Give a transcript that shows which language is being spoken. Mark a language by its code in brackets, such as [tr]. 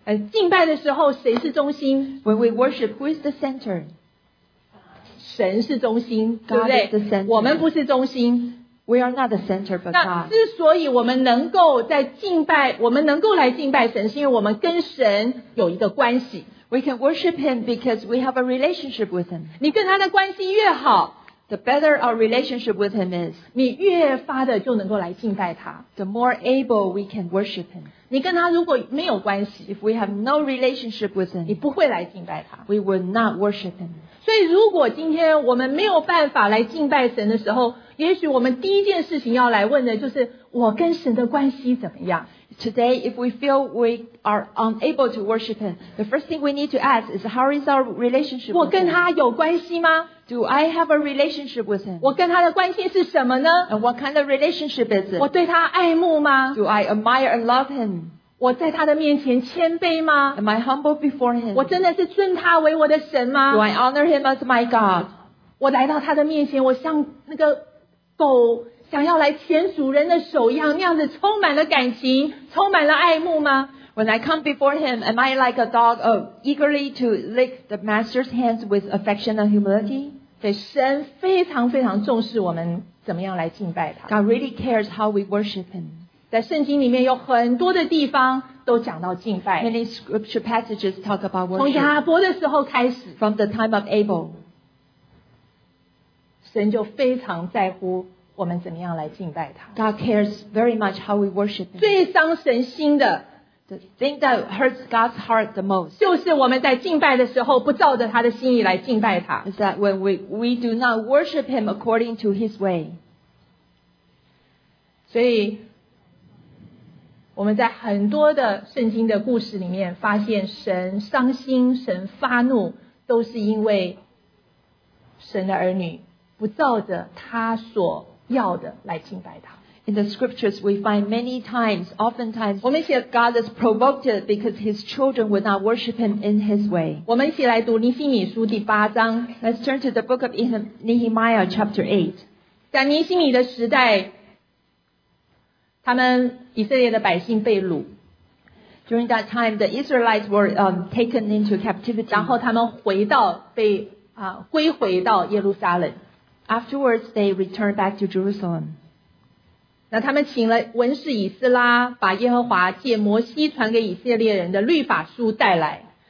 [zh] 敬拜的时候，谁是中心？ [en] When we worship, who is the center? [zh] 神是中心， [en] God is the center. [zh] 我们不是中心。 [en] We are not the center, but God. [zh] 那之所以我们能够在敬拜，我们能够来敬拜神，是因为我们跟神有一个关系。 [en] We can worship him because we have a relationship with him. [zh] 你跟他的关系越好， [en] the better our relationship with him is. [zh] 你越发的就能够来敬拜他， [en] the more able we can worship him. [zh] 你跟他如果没有关系， [en] if we have no relationship with him, [zh] 你不会来敬拜他， [en] we will not worship him. [zh] 所以如果今天我们没有办法来敬拜神的时候，也许我们第一件事情要来问的就是我跟神的关系怎么样。 [en] Today, if we feel we are unable to worship him, the first thing we need to ask is, how is our relationship with him? [zh] 我跟他有关系吗？ [en] Do I have a relationship with him? [zh] 我跟他的关系是什么呢？ [en] And what kind of relationship is it? [zh] 我对他爱慕吗？ [en] Do I admire and love him? [zh] 我在他的面前谦卑吗？ [en] Am I humble before him? [zh] 我真的是尊他为我的神吗？ [en] Do I honor him as my God? [zh] 我来到他的面前，我像那个狗想要来舔主人的手一样，那样子充满了感情，充满了爱慕吗？ [en] When I come before him, am I like a dog eagerly to lick the master's hands with affection and humility? [zh] 对，神非常非常重视我们怎么样来敬拜他。 [en] God really cares how we worship him. [zh] 在圣经里面有很多的地方都讲到敬拜。 [en] Many scripture passages talk about worship. [zh] 从亚伯的时候开始。 [en] From the time of Abel. [zh] 神就非常在乎我们怎么样来敬拜他。 [en] God cares very much how we worship him. [zh] 最伤神心的 [en] The thing that hurts God's heart the most [zh] 就是我们在敬拜的时候不照着他的心意来敬拜他。 [en] Is that when we do not worship him according to his way. [zh] 所以我们在很多的圣经的故事里面发现神伤心，神发怒，都是因为神的儿女不照着他所要的来敬拜他。 [en] In the scriptures, we find many times, oftentimes, [zh] 我们一起 [en] God is provoked because his children would not worship him in his way. [zh] 我们一起来读尼希米书第八章。 [en] Let's turn to the book of Nehemiah chapter 8. [zh] 在尼希米的时代，他们以色列的百姓被掳。 [en] During that time, the Israelites were taken into captivity. [zh] 然后他们回到被归回到耶路撒冷。 [en] Afterwards, they returned back to Jerusalem. [zh] 那他们请了文士以斯拉，把耶和华借摩西传给以色列人的律法书带来。